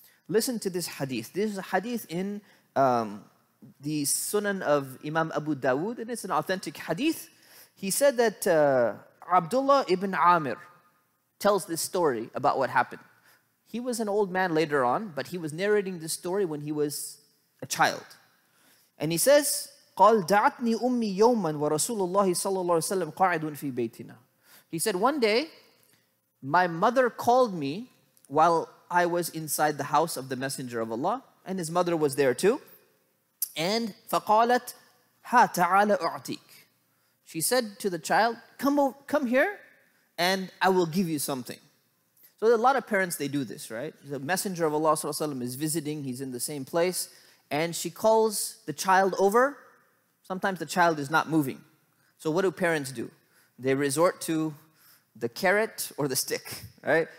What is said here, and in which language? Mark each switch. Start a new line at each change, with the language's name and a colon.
English: Listen to this hadith. This is a hadith in the Sunan of Imam Abu Dawud, and it's an authentic hadith. He said that Abdullah ibn Amir tells this story about what happened. He was an old man later on, but he was narrating this story when he was a child. And he says,
Arabic: قال دعتني أمي يوما ورسول الله صلى الله عليه وسلم قاعد في بيتنا.
English: He said, one day, my mother called me while I was inside the house of the Messenger of Allah, and his mother was there too.
Arabic: And فقالت ها تعال أعطيك.
English: She said to the child, come here and I will give you something. So a lot of parents, they do this, right? The Messenger of Allah Sallallahu Alaihi Wasallam is visiting, he's in the same place, and she calls the child over. Sometimes the child is not moving. So what do parents do? They resort to the carrot or the stick, right?